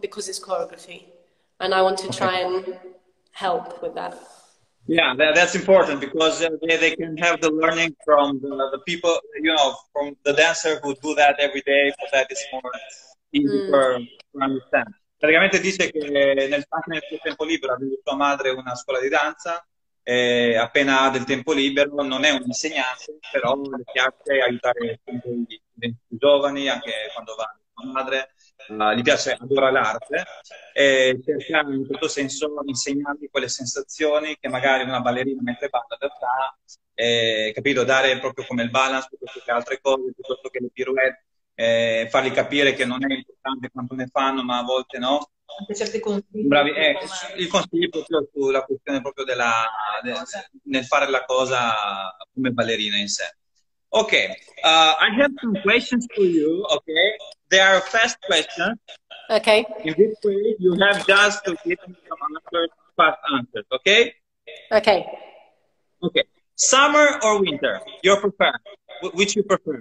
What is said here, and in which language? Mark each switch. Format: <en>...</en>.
<en>because it's choreography, and I want to try and help with that. Yeah, that's important because they can have the learning from the people, you know, from the dancer who do that every day, so that is more easy to understand.</en> <it>Praticamente dice che nel suo tempo libero ha avuto sua madre una scuola di danza, e appena ha del tempo libero non è un insegnante, però le piace aiutare i giovani anche quando va con madre. Gli piace, adora l'arte e cerca in questo senso insegnargli quelle sensazioni che magari una ballerina mentre balla da fa, capito, dare proprio come il balance piuttosto che altre cose, piuttosto che le pirouette, fargli capire che non è importante quanto ne fanno, ma a volte no. Anche certi consigli. Bravi. Il consiglio proprio sulla questione proprio della nel fare la cosa come ballerina in sé.</it> <en>Okay, I have some questions for you, okay? They are fast questions. Okay. In this way, you have just to give me some answers, fast answers, okay? Okay. Okay, summer or winter? You prefer, which you prefer?</en>